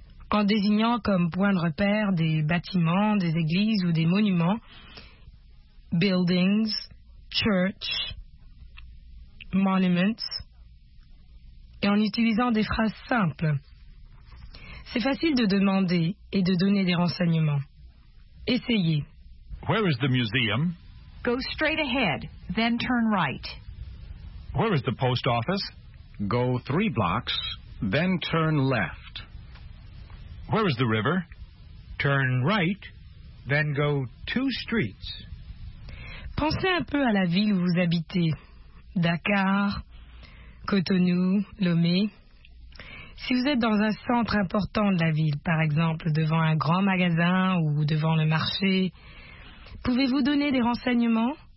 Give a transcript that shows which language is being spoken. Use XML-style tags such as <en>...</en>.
<fr>En désignant comme point de repère des bâtiments, des églises ou des monuments,</fr> <en>buildings, church, monuments,</en> <fr>et en utilisant des phrases simples. C'est facile de demander et de donner des renseignements. Essayez.</fr> <en>Where is the museum? Go straight ahead, then turn right. Where is the post office? Go three blocks, then turn left. Where is the river? Turn right, then go two streets.</en> <fr>Pensez un peu à la ville où vous habitez. Dakar, Cotonou, Lomé. Si vous êtes dans un centre important de la ville, par exemple devant un grand magasin ou devant le marché, pouvez-vous donner des renseignements?</fr>